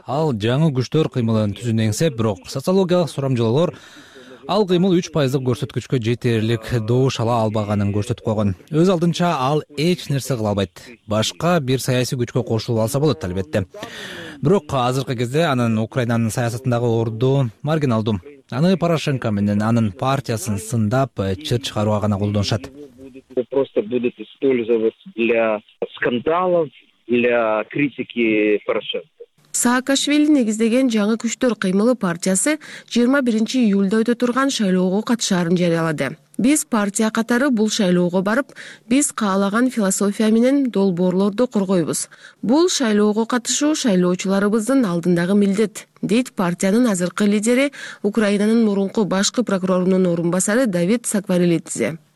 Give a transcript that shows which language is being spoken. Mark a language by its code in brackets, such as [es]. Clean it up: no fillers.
[ky] Ал жаңы күчтөр кыймылын түзүн эңсеп, бирок социологиялык сурамжылоолор ал кыймыл 3% көрсөткүчкө жетерлик добуш ала албаганын көрсөтүп койгон. Өз алдынча ал эч нерсе кыла албайт. Башка бир саясий күчкө кошулуп алса болот албетте. Бирок азыркы кезде анын Украинанын саясатындагы орду маргиналдуу. Аны Порошенко менен анын партиясын сындап, чыр чыгарууга гана колдонушат. [ru] Просто будут использовать для скандалов, для критики Порошенко. [ky] Саакашвили негиздеген жаңы күчтөр кыймылы партиясы 21 июлда өтө турган шайлоого катышаарын жарыялады. Биз партия катары бул шайлоого барып, биз каалаган философия менен долбоорлорду коргойбуз. Бул шайлоого катышуу шайлоочуларыбыздын алдындагы милдет, дейт партиянын азыркы лидери, Украинанын мурунку башкы прокурорунун орун басары Давид Саквареллидзе.